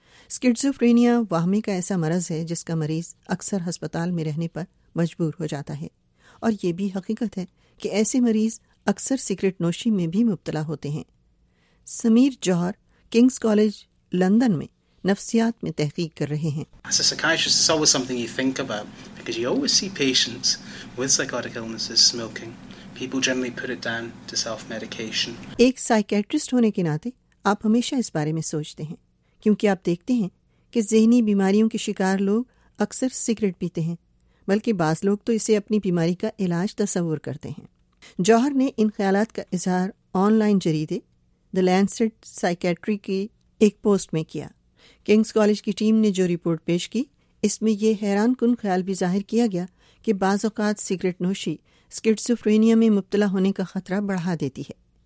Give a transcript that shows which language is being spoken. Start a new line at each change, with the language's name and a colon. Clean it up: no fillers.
Urdu: سکیٹسوفرینیا واہمے کا ایسا مرض ہے جس کا مریض اکثر ہسپتال میں رہنے پر مجبور ہو جاتا ہے، اور یہ بھی حقیقت ہے کہ ایسے مریض اکثر سگریٹ نوشی میں بھی مبتلا ہوتے ہیں. سمیر جوہر کنگز کالج لندن میں نفسیات میں تحقیق کر رہے ہیں.
English: As a psychiatrist, it's always something you think about because you always see patients with psychotic illnesses smoking. People generally put it down to self-medication.
Urdu: ایک سائیکیٹرسٹ ہونے کے ناطے آپ ہمیشہ اس بارے میں سوچتے ہیں، کیونکہ آپ دیکھتے ہیں کہ ذہنی بیماریوں کے شکار لوگ اکثر سگریٹ پیتے ہیں، بلکہ بعض لوگ تو اسے اپنی بیماری کا علاج تصور کرتے ہیں۔ جوہر نے ان خیالات کا اظہار آن لائن جریدے دی لینسٹ سائیکیٹری کی ایک پوسٹ میں کیا۔ کنگز کالج کی ٹیم نے جو رپورٹ پیش کی اس میں یہ حیران کن خیال بھی ظاہر کیا گیا کہ بعض اوقات سگریٹ نوشی اسکیٹسوفرینیا میں مبتلا ہونے کا خطرہ بڑھا دیتی ہے۔